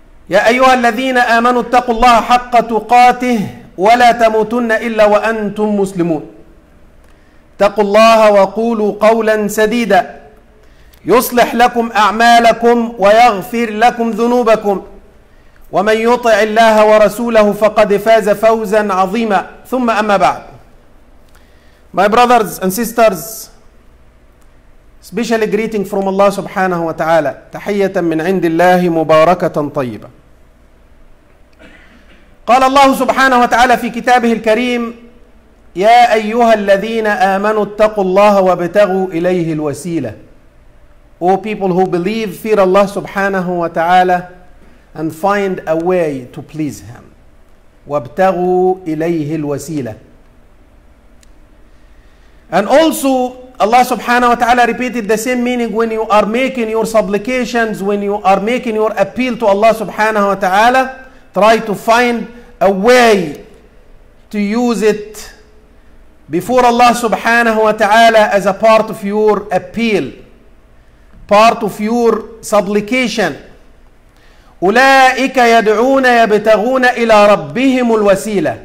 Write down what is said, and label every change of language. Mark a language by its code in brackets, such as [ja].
[ar] يا أيها الذين آمنوا اتقوا الله حق تقاته ولا تموتن إلا وأنتم مسلمون اتقوا الله وقولوا قولا سديدا يصلح لكم أعمالكم ويغفر لكم ذنوبكم ومن يطع الله ورسوله فقد فاز فوزا عظيما ثم أما بعد [en] My brothers and sisters Special greeting from Allah subhanahu wa ta'ala. [ar] تحية من عند الله مباركة طيبة. قال الله سبحانه وتعالى في كتابه الكريم يا أيها الذين آمنوا اتقوا الله وابتغوا إليه الوسيلة. [en] O people who believe, fear Allah subhanahu wa ta'ala and find a way to please Him. [ar] وابتغوا إليه الوسيلة. [en] And also Allah subhanahu wa ta'ala repeated the same meaning when you are making your supplications, when you are making your appeal to Allah subhanahu wa ta'ala, try to find a way to use it before Allah subhanahu wa ta'ala as a part of your appeal, part of your supplication. [ar] أولئك يدعون يبتغون إلى ربهم الوسيلة.